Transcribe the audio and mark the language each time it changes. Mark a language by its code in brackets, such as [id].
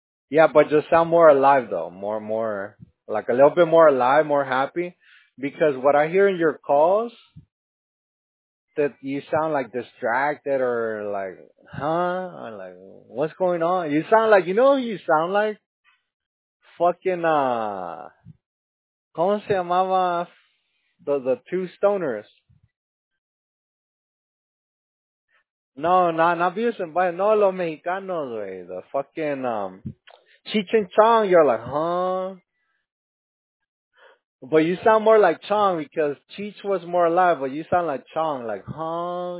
[en] Yeah, but just sound more alive though. More, like a little bit more alive, more happy. Because what I hear in your calls, that you sound like distracted or like, huh? Or like, what's going on? You sound like, you know who you sound like? Fucking, [es] ¿Cómo se llamaba [en] the two stoners? No, not Beavis and Butthead. [es] No, los mexicanos, güey. [en] The fucking, Cheech and Chong. You're like, huh? But you sound more like Chong because Cheech was more alive, but you sound like Chong. Like, huh?